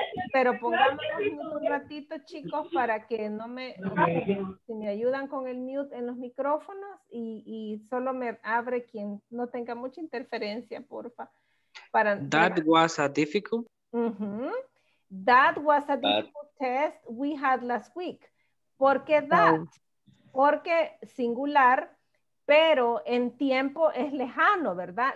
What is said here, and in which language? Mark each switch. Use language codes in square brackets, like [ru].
[es] Pero pongámonos un ratito, chicos, para que no me, si me ayudan con el mute en los micrófonos y solo me abre quien no tenga mucha interferencia, porfa. Para, [en] that mira, was a difficult. Uh-huh. That was a difficult test we had last week. [es] ¿Por qué that? Porque singular, pero en tiempo es lejano, ¿verdad?